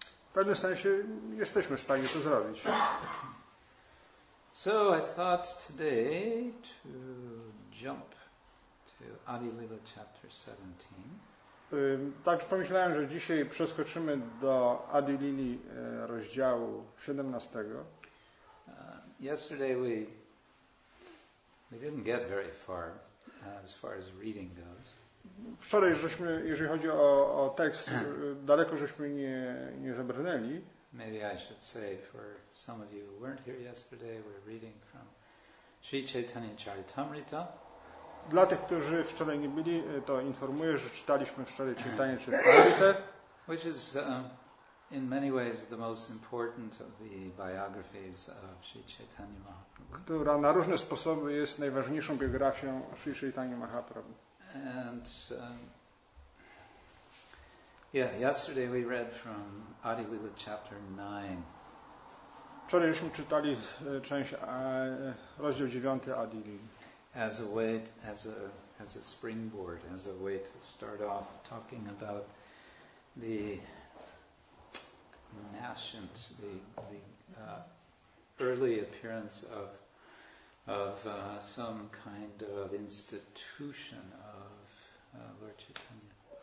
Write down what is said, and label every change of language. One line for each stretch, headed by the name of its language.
Polish: W pewnym sensie jesteśmy w stanie to zrobić.
English: So I thought today to jump to Adi Lila chapter 17.
Polish: Także pomyślałem, że dzisiaj przeskoczymy do Adi Lili rozdziału 17.
English: Yesterday we didn't get very far as far as reading goes.
Polish: Wczoraj żeśmy, jeżeli chodzi o tekst, daleko żeśmy nie zabrnęli.
English: Maybe I should say for some of you who weren't here yesterday, we're reading from Sri Chaitanya Charitamrita.
Polish: Dla tych, którzy wczoraj nie byli, to informuję, że czytaliśmy wczoraj Chaitanya Charitamrita,
English: which is in many ways the most important of the biographies of Sri Chaitanya Mahaprabhu.
Polish: Która na różne sposoby jest najważniejszą biografią Sri Chaitanya Mahaprabhu.
English: And yesterday we read from Adi Lila chapter 9.
Polish: Wczoraj żeśmy czytali część rozdział 9 Adi Lili.
English: As a way, as a springboard, as a way to start off talking about the nascent, the early appearance of some kind of institution of Lord Chaitanya.